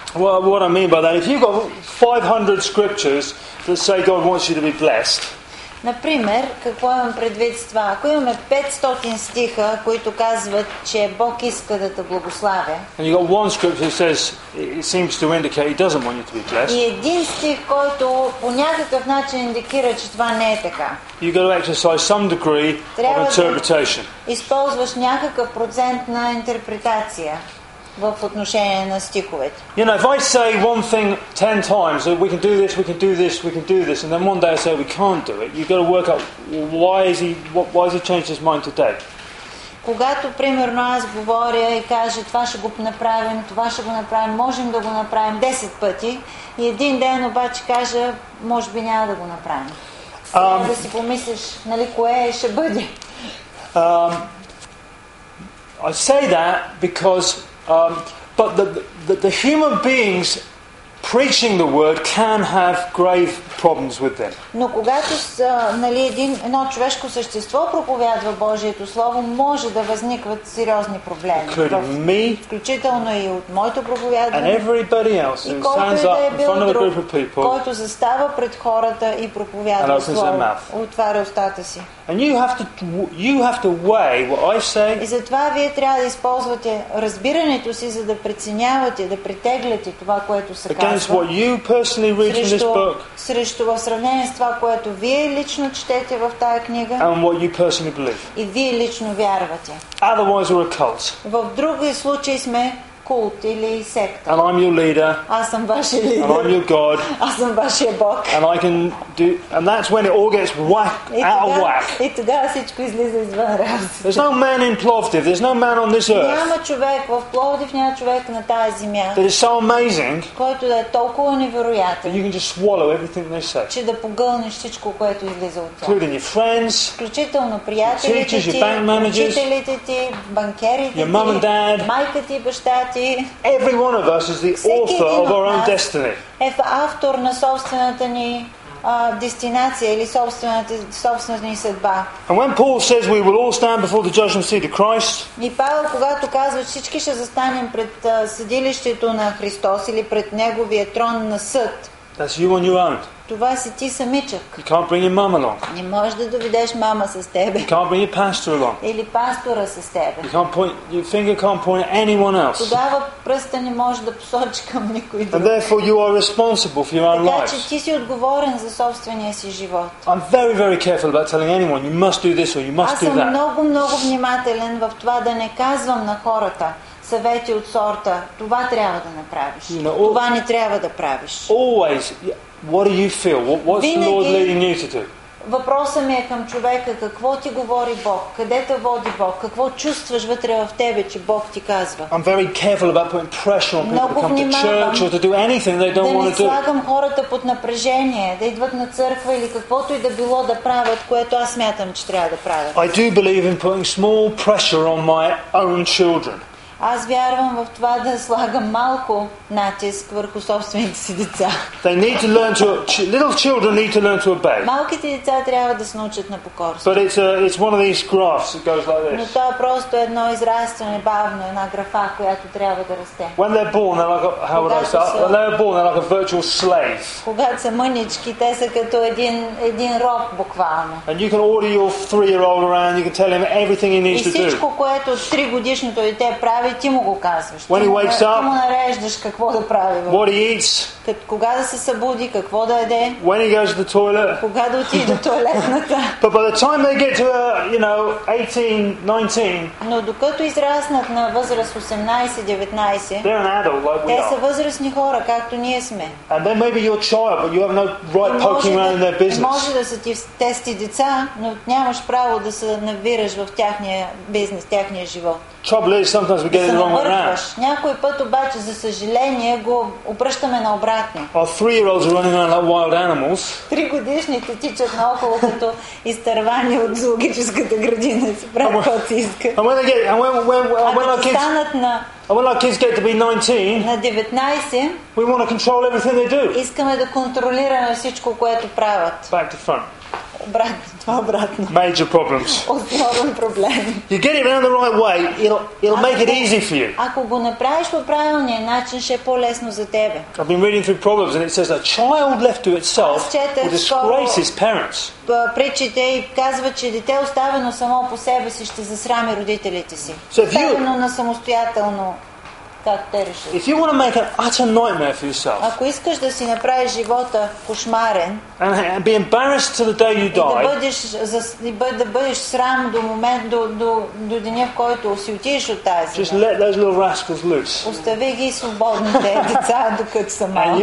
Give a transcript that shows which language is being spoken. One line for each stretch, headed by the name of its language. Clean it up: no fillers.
English: Well, what I mean by that, if you've got 500 scriptures that say God wants you to be blessed.
Bulgarian: Например, какво имам предвид с това? Ако имаме 500 стиха, които казват, че Бог иска да те благославя.
English: And you got one scripture that says it seems to indicate he doesn't want you to be blessed.
Bulgarian: И един стих, който по някакъв начин индикира, че това не е така.
English: You got to exercise some degree of interpretation.
Bulgarian: Трябва да използваш някакъв процент на интерпретация в отношение на стиховете.
English: You know, if I say one thing 10 times, we can do this, we can do this, we can do this, and then one day I say we can't do it, you've got to work out why has he changed his mind today?
Bulgarian: Когато примерно аз говоря и кажа това ще го направим, това ще го направим, можем да го направим 10 пъти, и един ден обаче кажа може би няма да го направим. Да си помислиш, нали, кое ще бъде.
English: I say that because But the human beings preaching the word can have grave problems with them.
Bulgarian: Но когато едно човешко същество проповядва Божието слово, може да възникват сериозни проблеми.
English: Including me,
Bulgarian: включително и от моето проповядване.
English: And everybody else who stands up in front of a group of people,
Bulgarian: който застава пред хората и проповядва слово, отваря устата си.
English: And you have to weigh what I say.
Bulgarian: И затова вие трябва да използвате разбирането си, за да преценявате, да притегляте това, което се казва.
English: Against what you personally read in this book.
Bulgarian: Срещу, в сравнение с това, което вие лично четете в тая книга.
English: And what you personally believe.
Bulgarian: И вие лично вярвате.
English: Otherwise we're a cult.
Bulgarian: В други случаи сме култ или секта.
English: And I'm your leader.
Bulgarian: Аз съм вашия лидер.
English: And I'm your God.
Bulgarian: Аз съм вашия Бог.
English: And I can do, and that's when it all gets out of whack.
Bulgarian: И тогава всичко излиза извън рамките.
English: There's no man in Plovdiv. There's no man on this earth.
Bulgarian: Няма човек в Пловдив, няма човек на тази земя.
English: That is so amazing.
Bulgarian: Който да е толкова невероятен.
English: You can just swallow everything they say.
Bulgarian: Че да погълнеш всичко, което излиза от тях.
English: Including your friends.
Bulgarian: Включително приятелите ти, учителите ти, банкерите ти,
English: your mom and dad.
Bulgarian: Майка ти, баща ти.
English: Every one of us is the author of our own destiny.
Bulgarian: Е автор на собствената ни дестинация или собствената ни съдба.
English: And when Paul says we will all stand before the judgment seat of Christ,
Bulgarian: и Павел, когато казва, всички ще застанем пред съдилището на Христос или пред неговия трон на съд,
English: that's you on your own.
Bulgarian: Това си ти самичък.
English: You can't bring your mama along.
Bulgarian: Не можеш да доведеш мама с тебе.
English: You can't bring your pastor along.
Bulgarian: Или пастора с тебе.
English: You can't point, your finger can't point at anyone else.
Bulgarian: Тогава пръста не може да посочи към никой друг.
English: And therefore you are responsible for your own life.
Bulgarian: Така че ти си отговорен за собствения си живот.
English: I'm very, very careful about telling anyone you must do this or you must do that.
Bulgarian: Аз съм много, много внимателен в това да не казвам на хората съвети от сорта, това трябва да направиш.
English: You know,
Bulgarian: това не трябва да правиш.
English: Always, what do you feel? What's
Bulgarian: винаги,
English: the Lord leading you to do?
Bulgarian: Въпросът ми е към човека, какво ти говори Бог, къде те води Бог, какво чувстваш вътре в тебе, че Бог ти казва.
English: I'm very careful about putting pressure on people to come to church or to do anything they don't want to do.
Bulgarian: Да не слагам хората под напрежение, да идват на църква или каквото и да било да правят, което аз смятам, че трябва да правят.
English: I do believe in putting small pressure on my own children.
Bulgarian: Аз вярвам в това да слагам малко натиск върху собствените си деца.
English: They need to learn to little children need to learn to obey.
Bulgarian: Малките деца трябва да се научат на покорство.
English: But it's one of these graphs that goes like this.
Bulgarian: Но това е просто едно израстване бавно, една графа, която трябва да расте.
English: When they're born, they're like a, how would I say? When they're born, they're like a virtual slave.
Bulgarian: Когато са мънички, те са като един роб буквално.
English: And you can order your 3-year-old around, you can tell him everything he needs to do.
Bulgarian: И всичко, което 3-годишното дете прави, ти му го казваш.
English: When he wakes up,
Bulgarian: ти му нареждаш какво да прави.
English: What he eats,
Bulgarian: кога да се събуди, какво да еде.
English: When he goes to the toilet,
Bulgarian: кога да отиде до туалетната.
English: But by the time they get to, you know, 18, 19,
Bulgarian: но докато израснат на възраст 18-19, те са възрастни хора, както ние сме.
English: And then maybe you're a child, but you have no right poking around in their business.
Bulgarian: Може да са тести деца, но нямаш право да се навираш в тяхния бизнес, тяхния живот.
English: Trouble is, sometimes we get it wrong around.
Bulgarian: Някой път обаче, за съжаление, го обръщаме на обратно.
English: Our 3-year-olds are running around like wild animals.
Bulgarian: 3-годишните тичат наоколо като изтървани от зоологическата градина, си правят каквото си искат.
English: When our kids get to be 19, we want to control everything they do.
Bulgarian: Искаме да контролираме всичко, което правят.
English: Back to front.
Bulgarian: Обратно.
English: Major problems.
Bulgarian: Основен проблем.
English: You get it around the right way, it'll make it easy for you.
Bulgarian: Ако го направиш по правилния начин, ще е по-лесно за тебе.
English: I've been reading through Proverbs and it says a child left to itself will disgrace his parents.
Bulgarian: Причите и казва, че дете оставено само по себе си ще засрами родителите си. Оставено на самостоятелно.
English: If you want to make an utter nightmare for yourself,
Bulgarian: ако искаш да си направиш живота кошмарен,
English: and be embarrassed to the day you die,
Bulgarian: да бъдеш срам до момент до деня, в който си отидеш от тази земя,
English: just let those little rascals loose.
Bulgarian: Остави ги свободните деца докато са малки.